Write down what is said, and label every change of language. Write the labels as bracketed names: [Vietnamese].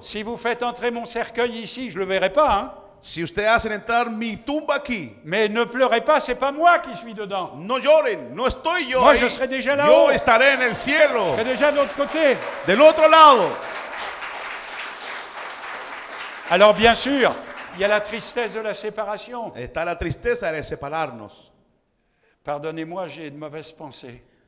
[French] Si vous faites entrer mon cercueil ici, je ne le verrai pas. [Spanish] Si usted hace entrar mi tumba aquí. [French] Mais ne pleurez pas, c'est pas moi qui suis dedans. [Spanish] No lloren, no estoy yo. [French] Moi, [Spanish] ahí. [French] Je serai déjà là-haut. [Spanish] Yo estaré en el cielo. [French] Je serai déjà de l'autre côté. [Spanish] Del otro lado. [French] Alors bien sûr, il y a la tristesse de la séparation. [Spanish] Está la tristeza de separarnos. [French] Pardonnez-moi, j'ai de mauvaises pensées.